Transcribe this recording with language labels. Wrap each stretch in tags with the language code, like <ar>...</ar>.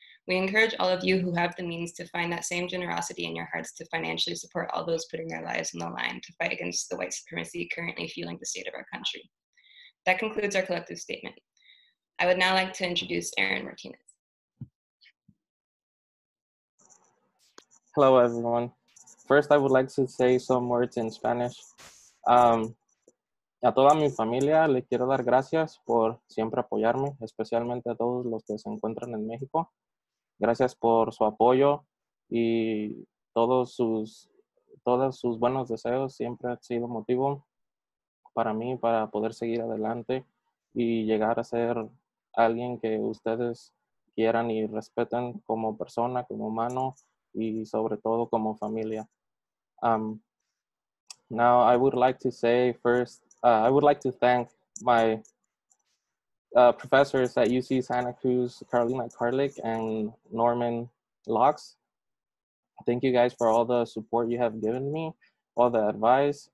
<en>We encourage all of you who have the means to find that same generosity in your hearts to financially support all those putting their lives on the line to fight against the white supremacy currently fueling the state of our country. That concludes our collective statement. I would now like to introduce Aarón Martínez. Hello, everyone. First, I would like to say some words in Spanish.</en> <es>A toda mi familia le quiero dar gracias por siempre apoyarme, especialmente a todos los que se encuentran en México. Gracias por su apoyo y todos sus buenos deseos siempre han sido motivo para mí para poder seguir adelante y llegar a ser alguien que ustedes quieran y respeten como persona, como humano y sobre todo como familia.</es> <en>Now I would like to say first, I would like to thank my professors at UC Santa Cruz, Carolina Karlik and Norman Locks. Thank you guys for all the support you have given me, all the advice.</en>